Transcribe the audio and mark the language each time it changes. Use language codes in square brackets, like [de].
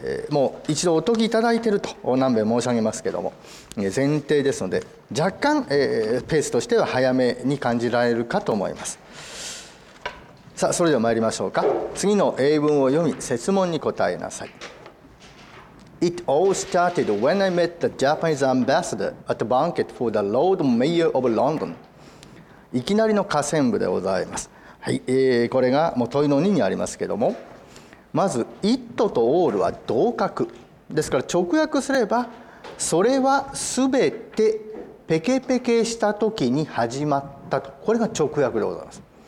[ja] もう一度お解きいただいていると何遍申し上げますけれども、前提ですので若干ペースとしては早めに感じられるかと思います。さあ、それでは参りましょうか。次の英文を読み、設問に答えなさい。 [en] It all started when I met the Japanese ambassador at a banquet for the Lord Mayor of London. [ja] いきなりの下線部でございます。はい、これがもう問いの2にありますけれども、まず It と All は同格ですから、直訳すれば、それはすべてペケペケした時に始まったと、これが直訳でございます。